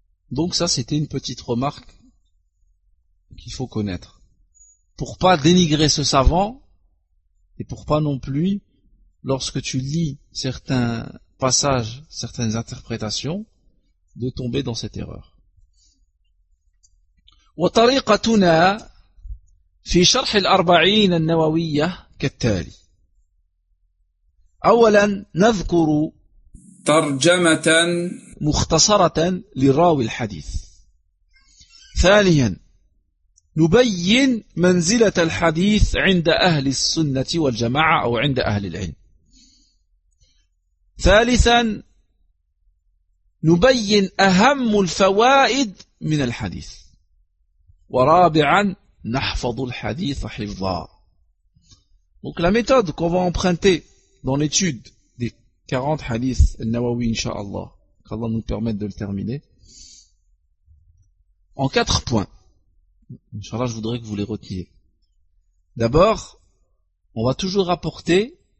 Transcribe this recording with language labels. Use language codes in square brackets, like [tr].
[fr] Donc ça, c'était une petite remarque qu'il faut connaître, pour pas dénigrer ce savant, et pour pas non plus, lorsque tu lis certains passages, certaines interprétations, de tomber dans cette erreur. [ar] وطريقتنا في شرح الأربعين النووية كالتالي. أولا نذكر ترجمة مختصرة لراوي الحديث. ثانيا نبين منزلة الحديث عند أهل السنة والجماعة أو عند أهل العلم. ثالثا نبين أهم الفوائد من الحديث. ورابعا نحفظ الحديث حفظا. [fr] Donc la méthode qu'on va emprunter dans l'étude des 40 hadiths al-Nawawi, inshallah, qu'Allah nous permette de le terminer, en 4 points. Inch'Allah, je voudrais que vous les retiez. D'abord, on va toujours apporter